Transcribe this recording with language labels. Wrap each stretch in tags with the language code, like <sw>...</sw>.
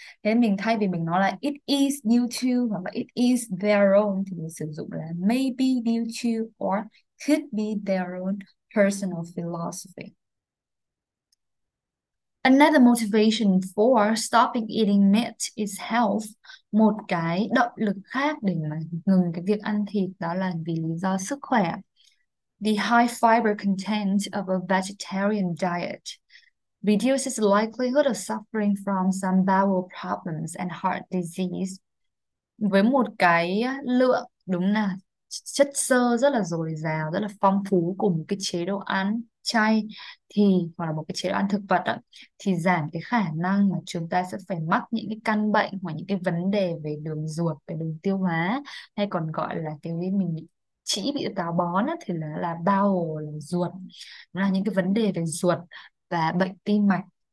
<vi>Thế mình thay vì mình nói là</vi> <en>it is due to</en> <vi>hoặc là</vi> <en>it is their own</en> <vi>thì mình sử dụng là</vi> <en>may be due to or could be their own personal philosophy. Another motivation for stopping eating meat is health.</en> <vi>Một cái động lực khác để mà ngừng cái việc ăn thịt đó là vì lý do sức khỏe.</vi> <en>The high fiber content of a vegetarian diet reduces the likelihood of suffering from some bowel problems and heart disease.</en> <vi>Với một cái lượng đúng là chất xơ rất là dồi dào, rất là phong phú cùng một cái chế độ ăn chay thì hoặc là một cái chế độ ăn thực vật đó, thì giảm cái khả năng mà chúng ta sẽ phải mắc những cái căn bệnh hoặc những cái vấn đề về đường ruột, về đường tiêu hóa hay còn gọi là cái mình bị chỉ bị táo bón đó, thì là bowel, là ruột, là những cái vấn đề về ruột và bệnh tim mạch.</vi>